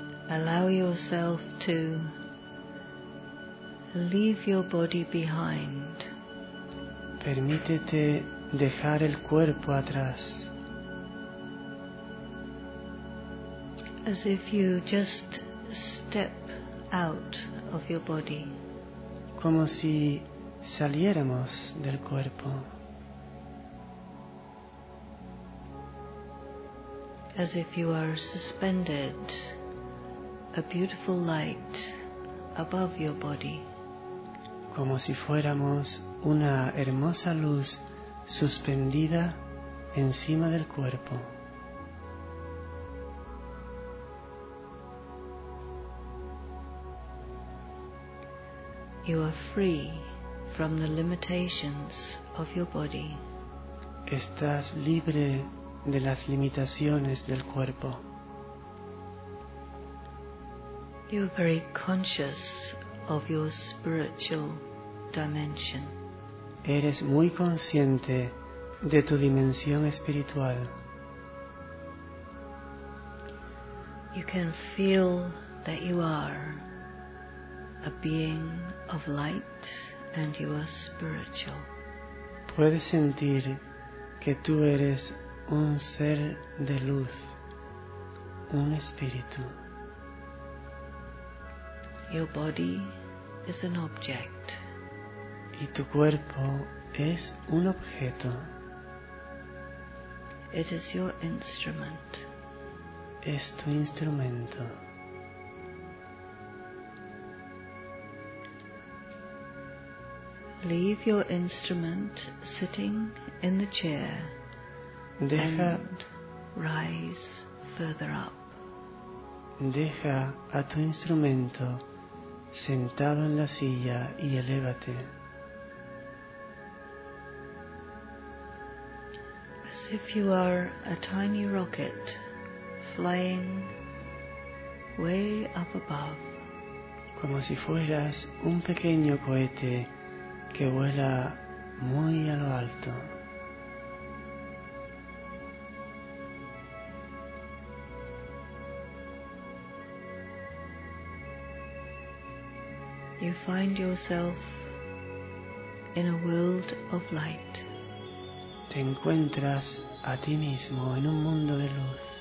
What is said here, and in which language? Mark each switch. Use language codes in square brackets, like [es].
[en] Allow yourself to leave your body behind. [es] Permítete dejar el cuerpo atrás. [en] As if you just step out of your body. [es] Como si saliéramos del cuerpo. [en] As if you are suspended, a beautiful light above your body. [es] Como si fuéramos una hermosa luz suspendida encima del cuerpo. [en] You are free from the limitations of your body. [es] Estás libre de las limitaciones del cuerpo. [en] You are very conscious of your spiritual dimension. [es] Eres muy consciente de tu dimensión espiritual. [en] You can feel that you are a being of light and you are spiritual. [es] Puedes sentir que tú eres un ser de luz, un espíritu. [en] Your body is an object. [es] Y tu cuerpo es un objeto. [en] It is your instrument. [es] Es tu instrumento. [en] Leave your instrument sitting in the chair. [es] Deja, [en] and rise further up. [es] Deja a tu instrumento sentado en la silla y elévate. [en] As if you are a tiny rocket flying way up above. [es] Como si fueras un pequeño cohete que vuela muy a lo alto. [en] you find yourself in a world of light. [es] Te encuentras a ti mismo en un mundo de luz.